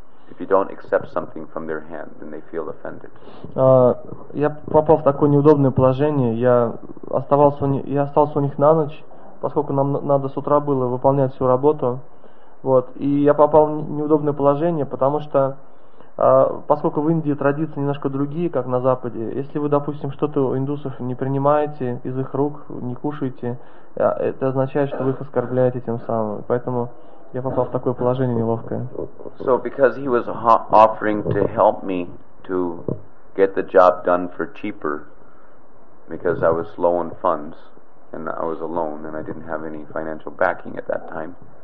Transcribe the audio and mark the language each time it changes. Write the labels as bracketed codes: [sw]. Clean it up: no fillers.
[en] If you don't accept something from their hand, then they feel offended. [ru] Я попал в такое неудобное положение. Я остался у них на ночь, поскольку нам надо с утра было выполнять всю работу. Вот. И я попал в неудобное положение, потому что, поскольку в Индии традиции немножко другие, как на Западе, если вы, допустим, что-то у индусов не принимаете из их рук, не кушаете, это означает, что вы их оскорбляете тем самым. Поэтому я попал в такое положение неловкое. [en] So because he was offering to help me to get the job done for cheaper, because I was low on funds and I was alone and I didn't have any financial backing at that time.